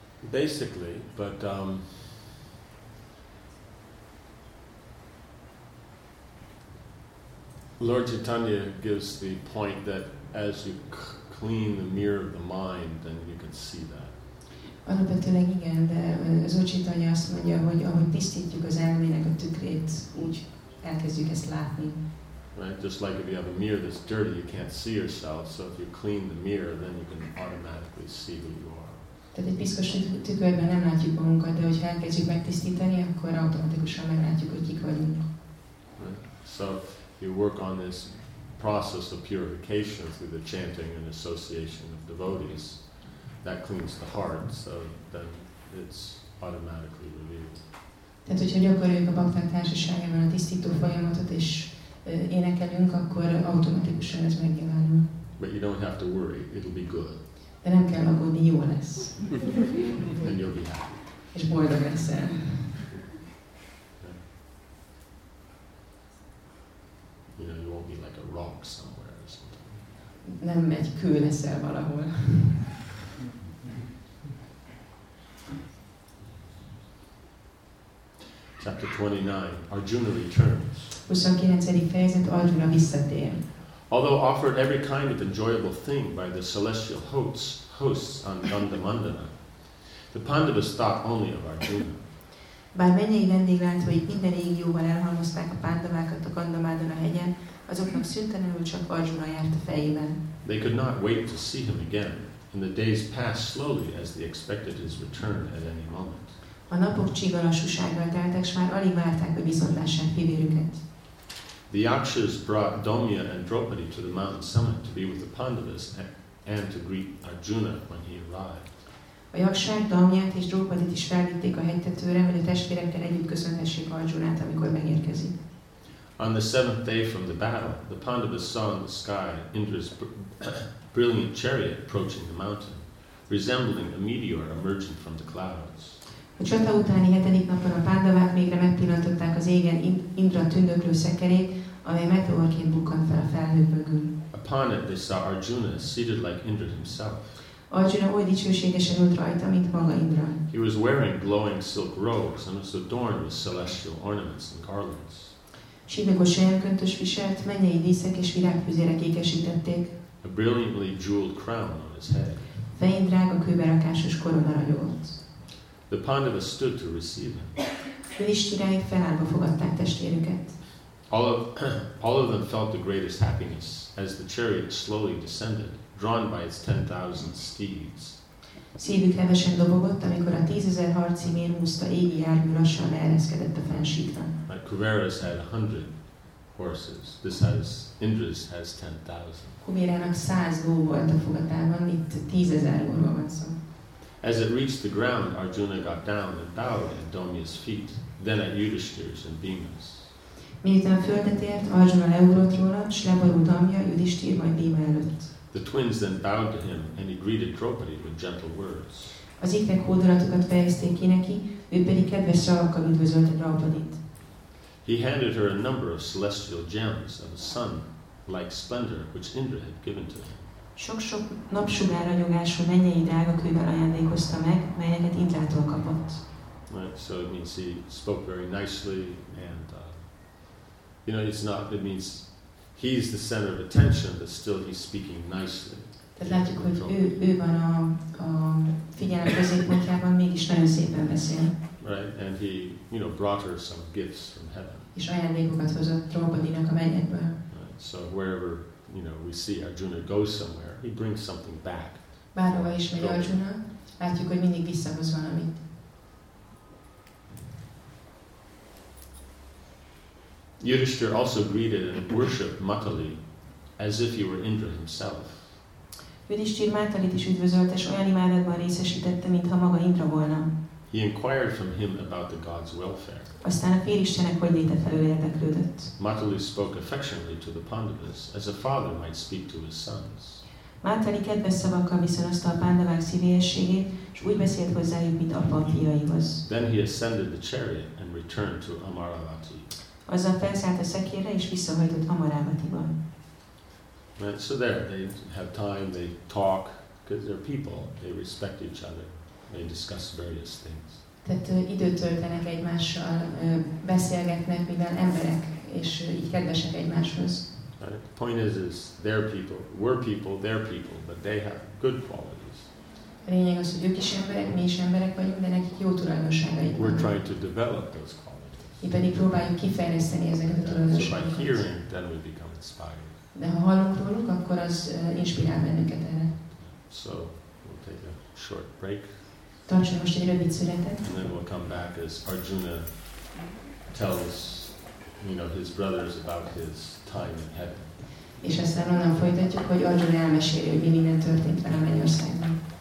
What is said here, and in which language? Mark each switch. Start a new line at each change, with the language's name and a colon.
English: Basically, but Lord Chaitanya gives the point that as you clean the mirror of the mind, then you can see that.
Hungarian: Alapvetőleg igen, de az Ócsitanya azt mondja, hogy ahogy tisztítjuk az elmének a tükrét, úgy elkezdjük ezt látni.
English: Right, just like if you have a mirror that's dirty, you can't see yourself, so if you clean the mirror, then you can automatically see who you are.
Hungarian: Tehát egy piszkos tükörben nem látjuk magunkat, de hogyha elkezdjük megtisztítani, akkor automatikusan meglátjuk, hogy kik vagyunk.
English: Right. So you work on this process of purification through the chanting and association of devotees. That cleans the heart, so then it's automatically revealed.
Hungarian: Tehát, hogyha gyakoroljuk a bakták társaságában a tisztító folyamatot és énekelünk, akkor automatikusan ez megjelenül.
English: But you don't have to worry, it'll be good.
Hungarian: De nem kell aggódni, jó lesz.
English: And you'll be happy.
Hungarian: És boldog leszel.
English: You know, you won't be like a rock somewhere.
Hungarian: Nem egy kő leszel valahol.
English: Chapter 29, Arjuna returns.
Hungarian: 29. fejezet, Arjuna visszatér.
English: Although offered every kind of enjoyable thing by the celestial hosts on Dandamandana, the Pandavas thought only of Arjuna.
Hungarian: Bár mennyei vendéglátóik minden égi jóval elhalmozták a Pandavákat a Gandamandana hegyen, azoknak szüntelenül csak Arjuna járt a fejében.
English: They could not wait to see him again, and the days passed slowly as they expected his return at any moment.
Hungarian: A napok csigalassúsággal teltek, s már alig várták, hogy viszont lássák fivérüket.
English: The Yakshas brought Domya and Draupadi to the mountain summit to be with the Pandavas and to greet Arjuna when he arrived.
Hungarian: A Yakshák Domját és Draupadit is felvitték a hegytetőre, hogy a testvérekkel együtt köszönhessék Arjunát, amikor megérkezik.
English: On the seventh day from the battle, the Pandavas saw in the sky Indra's brilliant chariot approaching the mountain, resembling a meteor emerging from the clouds.
Hungarian: A csata utáni hetedik napon a Pandavák mégre megpillantották az égen Indra tündöklő szekerét, amely meteorként bukkant fel a felhők mögül.
English: Upon it they saw Arjuna seated like Indra himself.
Hungarian: Arjuna oly dicsőségesen ült rajta, mint maga Indra.
English: He was wearing glowing silk robes and was adorned with celestial ornaments and garlands.
Hungarian: Sivakos sejemköntös viselt, mennyei díszek és virágfüzérek ékesítették.
English: A brilliantly jeweled crown on his head.
Hungarian: Fején drága kőberakásos korona ragyogott.
English: The Pandavas stood to receive him.
Hungarian: Kulis királyok felállva fogadták testvérüket.
English: All of them felt the greatest happiness as the chariot slowly descended, drawn by its 10,000 steeds.
Hungarian: Szívük hevesen dobogott, amikor a 10,000 harci mérmúzta égi jármű lassan leereszkedett a fennsíkra.
English: But Kuvera's had 100 horses. This has Indra's has 10,000.
Hungarian: Kuvera-nak 100 ló volt a fogatában, itt 10,000 lóról van szó.
English: As it reached the ground, Arjuna got down and bowed at Domya's feet, then at Yudhishthira's and Bhima's.
Hungarian: Miután földet ért, Arjuna leugrott róla, s leborult Domya, Yudhishthira, majd Bhima előtt.
English: The twins then bowed to him, and he greeted Draupadi with gentle words.
Hungarian: Az ifjak hódolatokat fejezték ki neki, ő pedig kedves szavakkal üdvözölte Draupadit.
English: He handed her a number of celestial gems of a sun-like splendor which Indra had given to him.
Hungarian: Sok-sok napsugár ragyogású mennyei drága kővel ajándékozta meg, melyeket Indrától kapott.
English: Right, so it means he spoke very nicely, and you know, it's not, it means he's the center of attention, but still he's speaking nicely.
Hungarian: Tehát látjuk, hogy ő van a figyelem középpontjában, mégis nagyon szépen beszél.
English: Right, and he, you know, brought her some gifts from heaven.
Hungarian: És ajándékokat hozott Draupadinak a mennyekből.
English: Right, so wherever, you know, we see Arjuna go somewhere, he brings something back.
Hungarian: Bárhova is megy Arjuna, látjuk, hogy mindig visszahoz valamit.
English: Yudhishthira also greeted and worshipped Matali as if he were Indra himself.
Hungarian: Yudhishthira Matalit is üdvözölte, és olyan imádatban részesítette, mintha maga Indra volna.
English: He inquired from him about the gods' welfare.
Hungarian: Aztán a félistenek hogy léte felől érdeklődött.
English: Matali spoke affectionately to the Pandavas as a father might speak to his sons.
Hungarian: Matali kedves szavakkal viszonozta a Pandavák szívélyességét, és úgy beszélt hozzájuk, mint apa a fiaihoz.
English: Then he ascended the chariot and returned to Amaravati.
Hungarian: Azzal felszállt a szekérre és visszahajtott Amaravatiba.
English: So there, they have time, they talk, because they're people, they respect each other. They discuss various things.
Hungarian: Tehát időt töltenek egymással, beszélgetnek, mivel emberek, és így kedvesek egymáshoz.
English: Right. The point is their people, we're people, they're people, but they have good qualities.
Hungarian: A lényeg az, hogy ők is emberek, mi is emberek vagyunk, de nekik jó tulajdonságaik.
English: We're trying to develop those qualities.
Hungarian: Mi pedig próbáljuk kifejleszteni ezeket a tulajdonságokat.
English: So by hearing, then we become inspired.
Hungarian: De ha hallunk róluk, akkor az inspirál bennünket erre.
English: So, we'll take a short break.
Hungarian: Tartsunk most egy rövid szünetet.
English: And then we'll come back as Arjuna tells, you know, his brothers about his time in heaven.
Hungarian: És aztán onnan folytatjuk, hogy Arjuna elmeséli, hogy mi minden történt vele a mennyországban.